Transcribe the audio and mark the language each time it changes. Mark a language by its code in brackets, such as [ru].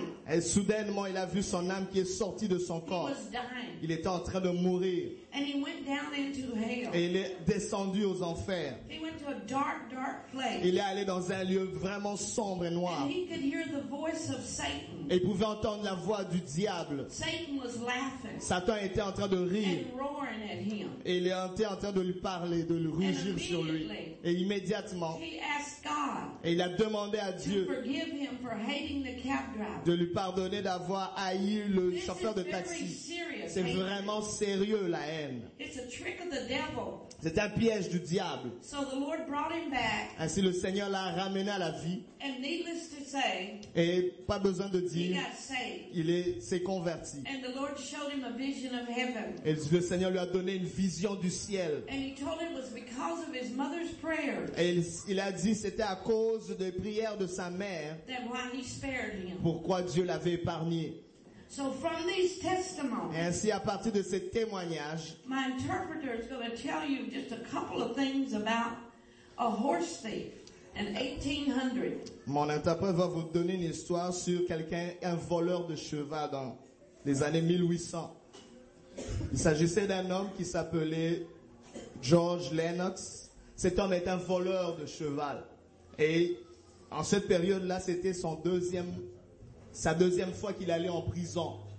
[fr] Et soudainement, il a vu son âme qui est sortie de son corps. Il était en train de mourir. [en] And he went down into hell. [fr] Et il est descendu aux enfers. [en] He went to a dark, dark place. [fr] Il est allé dans un lieu vraiment sombre et noir. [en] And he could hear the voice of Satan. [fr] Et il pouvait entendre la voix du diable. [en] Satan was laughing. [fr] Satan était en train de rire. [en] And roaring at him. [fr] Et il était en train de lui parler, de lui rugir sur lui. Et immédiatement, [en] he asked God, [fr] et il a demandé à Dieu [en] to forgive him for hating the cab driver. [fr] De lui pardonner d'avoir haï le [en] This [fr] chauffeur de taxi. [en] Very serious, [fr] c'est [en] hating. [fr] Vraiment sérieux là. [en] It's a trick of the devil. [fr] C'est un piège du diable. [en] So the Lord brought him back. [fr] Ainsi le Seigneur l'a ramené à la vie. [en] And needless to say, [fr] et pas besoin de dire, [en] he got saved. [fr] Il s'est converti. [en] And the Lord showed him a vision of heaven. [fr] Et le Seigneur lui a donné une vision du ciel. [en] And he told him it was because of his mother's prayers. [fr] Et il a dit c'était à cause des prières de sa mère. [en] That why he spared him. [fr] Pourquoi Dieu l'avait épargné. [en] So from these testimonies, [fr] et ainsi à partir de ces témoignages, [en] my interpreter is going to tell you just a couple of things about a horse thief in 1800. [fr] Mon interprète va vous donner une histoire sur quelqu'un, un voleur de cheval dans les années 1800. Il s'agissait d'un homme qui s'appelait George Lennox. Cet homme est un voleur de cheval. Et en cette période-là, c'était sa deuxième fois qu'il allait en prison.